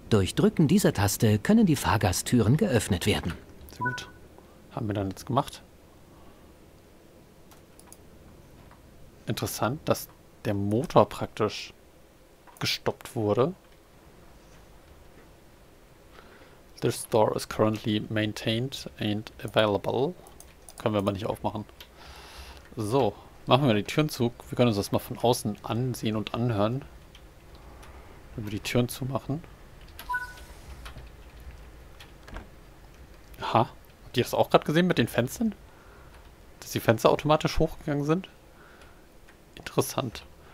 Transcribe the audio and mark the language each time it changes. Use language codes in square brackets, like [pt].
[de] Durch Drücken dieser Taste können die Fahrgasttüren geöffnet werden. Sehr gut. Haben wir dann jetzt gemacht. Interessant, dass der Motor praktisch gestoppt wurde. [en] This door is currently maintained and available. [de] Können wir aber nicht aufmachen. So, machen wir die Türen zu. Wir können uns das mal von außen ansehen und anhören. Wenn wir die Türen zumachen. Aha. Habt ihr das auch gerade gesehen mit den Fenstern? Dass die Fenster automatisch hochgegangen sind? Interessant.